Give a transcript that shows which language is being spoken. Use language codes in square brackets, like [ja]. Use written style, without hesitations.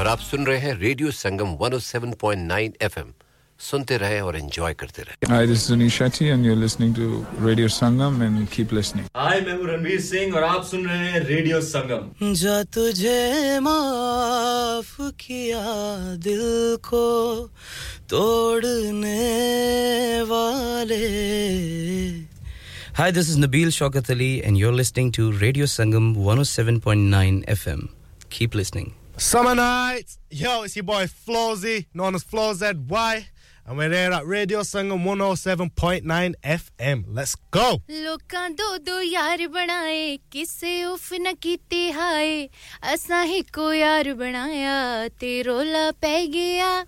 [ur] سن رہے ہیں ریڈیو سنگم 107.9 F M سنتے رہے اور انجوائے کرتے رہے [en] Hi, this is Anish Shetty and you're listening to Radio Sangam and keep listening. [ur] Hi, میں ہوں رنویر سنگھ اور آپ سن رہے ہیں ریڈیو سنگم جا تجھے معاف کیا دل کو توڑنے والے [en] Hi, this is Nabeel Shaukat Ali and you're listening to Radio Sangam 107.9 FM. Keep listening. Summer night, yo, it's your boy Flozy, known as Flo ZY, and we're here at Radio Sangam 107.9 FM. Let's go! [pa] ਲੋਕਾਂ ਦੋ ਦੋ ਯਾਰ ਬਣਾਏ ਕਿਸੇ ਉਫ ਨਾ ਕੀਤੀ ਹਾਏ ਅਸਾਂ ਹੀ ਕੋ ਯਾਰ ਬਣਾਇਆ ਤੇ ਰੋਲਾ ਪੈ ਗਿਆ.